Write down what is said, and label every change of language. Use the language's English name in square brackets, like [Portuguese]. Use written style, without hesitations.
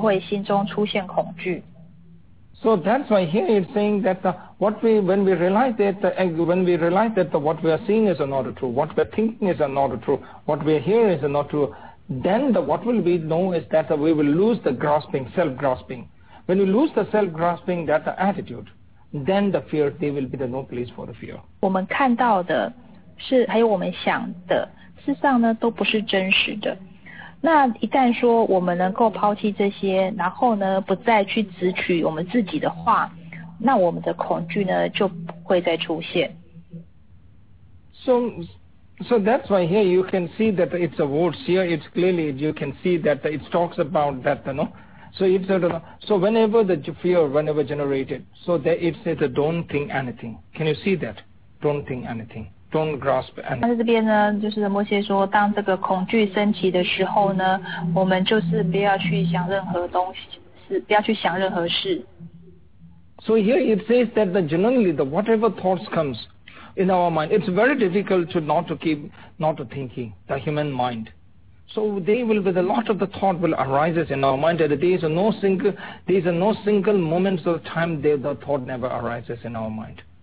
[Chinese] 那当我们有一些错乱的见解的时候，这时候我们就会心中出现恐惧。 [English] So that's why here it's saying that when we realize that what we are seeing is not true, what we are thinking is not true, what we are hearing is not true, then what will we know is that we will lose the grasping, self-grasping. When we lose the self-grasping, that attitude, then the fear, there will be no place for the fear. [Chinese] 我们看到的是还有我们想的。事实上呢，都不是真实的。那一旦说我们能够抛弃这些，然后呢，不再去执取我们自己的话，那我们的恐惧呢，就不会再出现。 [English] So So that's why here you can see that it's a verse here. It's clearly, you can see that it talks about that, you know. So it's a, so whenever the fear, whenever generated, so there it says that don't think anything. Can you see that? Don't think anything. Don't grasp anything. [Chinese] 但是这边呢，就是摩西说，当这个恐惧升起的时候呢，我们就是不要去想任何东西，是不要去想任何事。 [English] So here it says that the generally the whatever thoughts comes in our mind, it's very difficult to not to keep not to thinking the human mind. So they will with a lot of the thought will arises in our mind. There is no single moments of time there the thought never arises in our mind.